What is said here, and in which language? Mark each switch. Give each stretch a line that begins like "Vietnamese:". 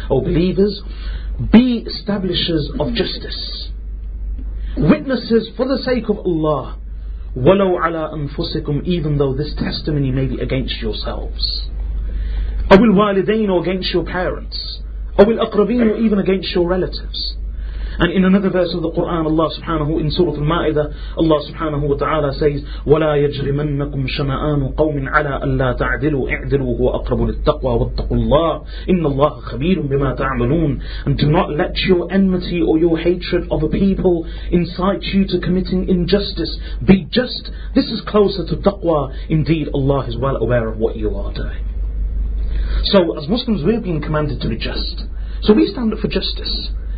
English: O believers, be establishers of justice, witnesses for the sake of Allah,
Arabic: وَلَوْ عَلَىٰ أَنفُسِكُمْ,
English: even though this testimony may be against yourselves.
Arabic: أو الوالدين
English: or against your parents,
Arabic: أو الأقربين
English: or even against your relatives. And in another verse of the Quran, Allah subhanahu in Surah Al-Ma'idah, Allah subhanahu wa ta'ala says,
Arabic: وَلَا يَجْرِمَنَّكُمْ شَنَآنُ قَوْمٍ عَلَىٰ أَلَّا تَعْدِلُوا اِعْدِلُوا هُوَ أَقْرَبُ لِلتَّقْوَى وَاتَّقُوا اللَّهِ إِنَّ اللَّهَ خَبِيرٌ بِمَا تَعْمَلُونَ.
English: And do not let your enmity or your hatred of a people incite you to committing injustice. Be just. This is closer to taqwa. Indeed, Allah is well aware of what you are doing. So as Muslims, we're being commanded to be just. So we stand up for justice.